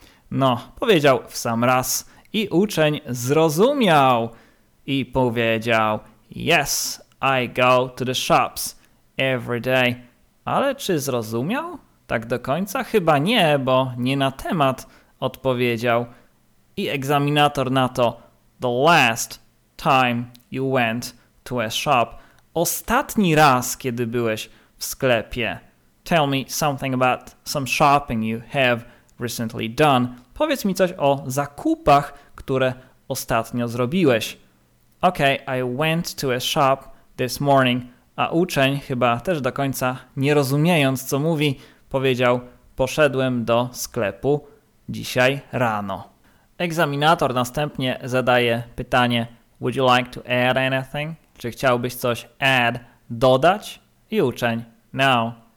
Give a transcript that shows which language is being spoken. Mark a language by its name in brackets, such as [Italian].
[Polish] No, powiedział w sam raz i uczeń zrozumiał i powiedział, [English] yes, I go to the shops every day. [Polish] Ale czy zrozumiał tak do końca? Chyba nie, bo nie na temat odpowiedział. I egzaminator na to, [English] the last time you went to a shop. [Polish] Ostatni raz, kiedy byłeś w sklepie. [English] Tell me something about some shopping you have recently done. [Polish] Powiedz mi coś o zakupach, które ostatnio zrobiłeś. [English] Okay, I went to a shop this morning. [Polish] A uczeń, chyba też do końca nie rozumiejąc, co mówi, powiedział, poszedłem do sklepu dzisiaj rano. Egzaminator następnie zadaje pytanie, [English] would you like to add anything? [Polish] Czy chciałbyś coś add, dodać? I uczeń, no.